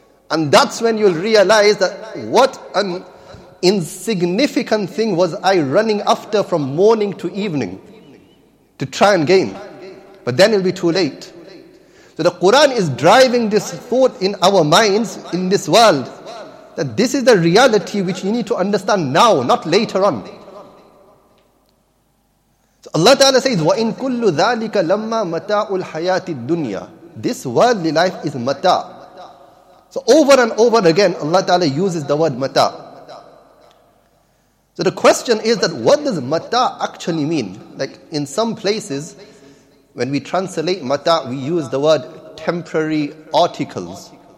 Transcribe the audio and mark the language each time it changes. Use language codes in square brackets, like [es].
[en] And that's when you'll realize that what an insignificant thing was I running after from morning to evening to try and gain. But then it'll be too late. So the Quran is driving this thought in our minds in this world that this is the reality which you need to understand now, not later on. So Allah Ta'ala says, [ar] وَإِن كُلُّ ذَٰلِكَ لَمَّا مَتَاعُ الْحَيَاةِ الدُّنْيَا. [en] This worldly life is mata. So over and over again, Allah Ta'ala uses the word mata. So the question is that what does mata actually mean? Like in some places, when we translate mata, we use the word temporary articles.